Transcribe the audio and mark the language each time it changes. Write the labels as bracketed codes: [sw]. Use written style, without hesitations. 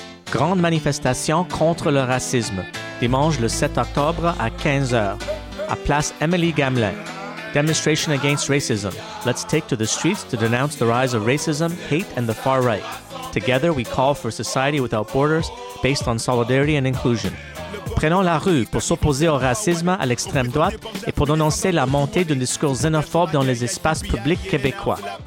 [fr] Grande manifestation contre le racisme, dimanche le 7 octobre à 15h, à Place Emily Gamelin. [en] Demonstration against racism. Let's take to the streets to denounce the rise of racism, hate, and the far right. Together, we call for a society without borders, based on solidarity and inclusion. [fr] Prenons la rue pour s'opposer au racisme à l'extrême droite et pour dénoncer la montée d'un discours xénophobe dans les espaces publics québécois.